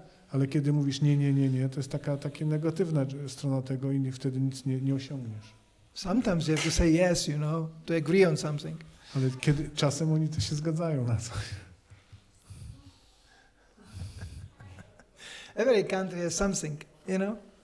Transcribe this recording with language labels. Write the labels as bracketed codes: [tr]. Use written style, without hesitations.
[pl] Ale kiedy mówisz nie, to jest taka negatywna strona tego i wtedy nic nie osiągniesz. [en] Sometimes you have to say yes, you know, to agree on something. [pl] Ale kiedy czasem oni to się zgadzają na coś. [en] Every country has something, you know.